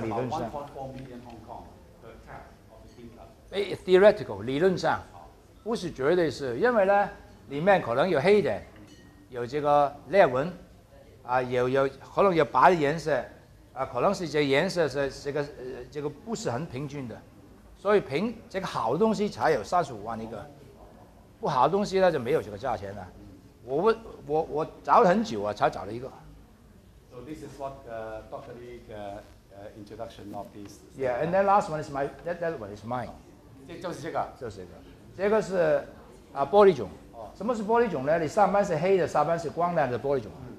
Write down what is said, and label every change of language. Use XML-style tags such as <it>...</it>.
<zh>Theoretical, 理论上，不是绝对是，因为呢，里面可能有黑的，有这个裂纹，有可能有白的颜色，可能是这个颜色是这个不是很平均的，所以平这个好东西才有35万一个，不好的东西呢就没有这个价钱了。我找了很久啊，才找了一个。</zh> <en>So this is what Dr. Lee introduction of this. Yeah, and then last one is my that one is mine.</en> <zh>就是这个。这个是玻璃种。什么是玻璃种呢？你上半是黑的，下半是光亮的玻璃种。</zh>